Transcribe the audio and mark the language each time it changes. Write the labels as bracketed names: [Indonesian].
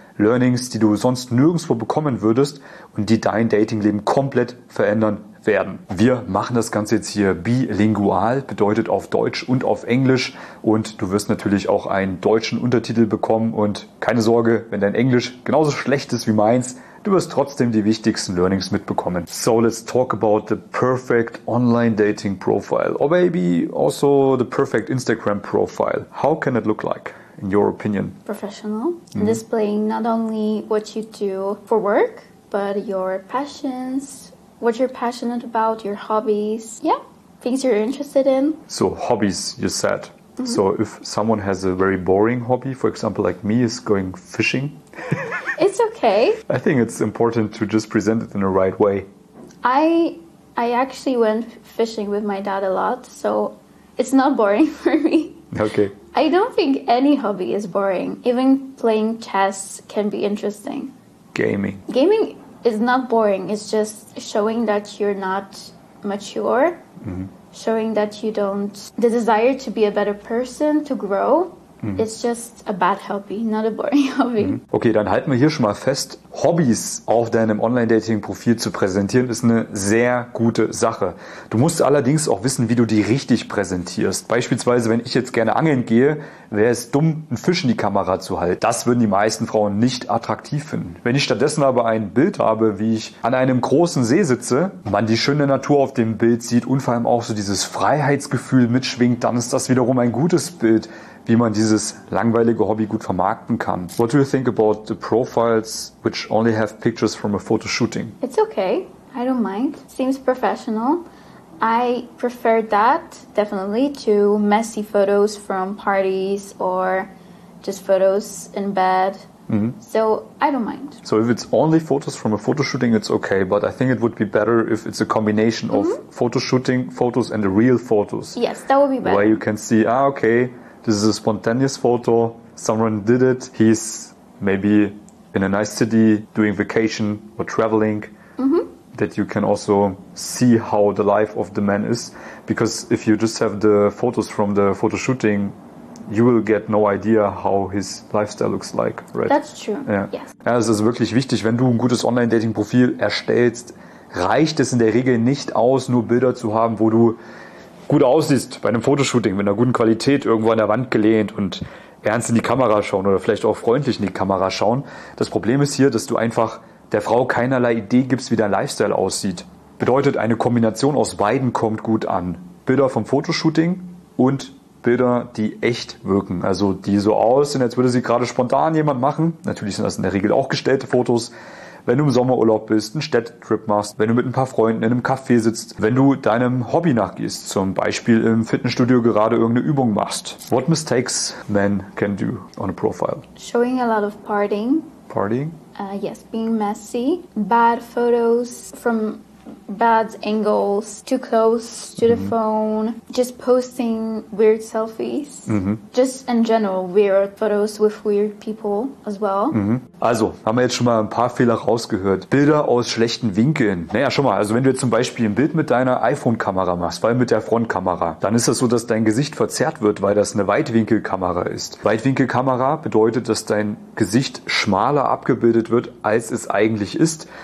[German] Learnings, die du sonst nirgendwo bekommen würdest und die dein Datingleben komplett verändern werden. Wir machen das Ganze jetzt hier bilingual, bedeutet auf Deutsch und auf Englisch und du wirst natürlich auch einen deutschen Untertitel bekommen und keine Sorge, wenn dein Englisch genauso schlecht ist wie meins, du wirst trotzdem die wichtigsten Learnings mitbekommen. [English] So, let's talk about the perfect online dating profile or maybe also the perfect Instagram profile. How can it look like? In your opinion? Professional. Mm-hmm. Displaying not only what you do for work, but your passions, what you're passionate about, your hobbies. Yeah, things you're interested in. So hobbies, you said. Mm-hmm. So if someone has a very boring hobby, for example, like me is going fishing. It's okay. I think it's important to just present it in the right way. I actually went fishing with my dad a lot, so it's not boring for me. Okay. I don't think any hobby is boring. Even playing chess can be interesting. Gaming. Gaming is not boring. It's just showing that you're not mature. Mm-hmm. Showing that you don't... The desire to be a better person, to grow, mm-hmm. is just a bad hobby, not a boring hobby. Mm-hmm. [German] Okay, dann halten wir hier schon mal fest, Hobbys auf deinem Online-Dating-Profil zu präsentieren, ist eine sehr gute Sache. Du musst allerdings auch wissen, wie du die richtig präsentierst. Beispielsweise, wenn ich jetzt gerne angeln gehe, wäre es dumm, einen Fisch in die Kamera zu halten. Das würden die meisten Frauen nicht attraktiv finden. Wenn ich stattdessen aber ein Bild habe, wie ich an einem großen See sitze, man die schöne Natur auf dem Bild sieht und vor allem auch so dieses Freiheitsgefühl mitschwingt, dann ist das wiederum ein gutes Bild, wie man dieses langweilige Hobby gut vermarkten kann. [English] What do you think about the profiles which only have pictures from a photo shooting? It's okay. I don't mind. Seems professional. I prefer that, definitely, to messy photos from parties or just photos in bed. Mm-hmm. So, I don't mind. So, if it's only photos from a photo shooting, it's okay. But I think it would be better if it's a combination mm-hmm. of photo shooting photos and the real photos. Yes, that would be better. Where you can see, okay, this is a spontaneous photo. Someone did it. He's maybe in a nice city doing vacation or traveling. Mm-hmm. That you can also see how the life of the man is. Because if you just have the photos from the photo shooting, you will get no idea how his lifestyle looks like, right? That's true, yeah. Yes. [German] Ja, es ist wirklich wichtig, wenn du ein gutes Online-Dating-Profil erstellst, reicht es in der Regel nicht aus, nur Bilder zu haben, wo du gut aussiehst bei einem Fotoshooting, mit einer guten Qualität, irgendwo an der Wand gelehnt und ernst in die Kamera schauen oder vielleicht auch freundlich in die Kamera schauen. Das Problem ist hier, dass du einfach der Frau keinerlei Idee gibst, wie dein Lifestyle aussieht. Bedeutet, eine Kombination aus beiden kommt gut an. Bilder vom Fotoshooting und Bilder, die echt wirken. Also die so aussehen, als würde sie gerade spontan jemand machen. Natürlich sind das in der Regel auch gestellte Fotos. wenn du im Sommerurlaub bist, einen Städtetrip machst, wenn du mit ein paar Freunden in einem Café sitzt, wenn du deinem Hobby nachgehst, zum Beispiel im Fitnessstudio gerade irgendeine Übung machst. [English] What mistakes men can do on a profile? Showing a lot of partying. Partying? Yes, being messy. Bad photos from bad angles, too close to the phone, just posting weird selfies, just in general weird photos with weird people as well. [German] Also, haben wir jetzt schon mal ein paar Fehler rausgehört. Bilder aus schlechten Winkeln. Naja, schon mal, also wenn du jetzt zum Beispiel ein Bild mit deiner iPhone-Kamera machst, vor allem mit der Frontkamera, dann ist das so, dass dein Gesicht verzerrt wird, weil das eine Weitwinkelkamera ist. Weitwinkelkamera bedeutet, dass dein Gesicht schmaler abgebildet wird, als es eigentlich ist.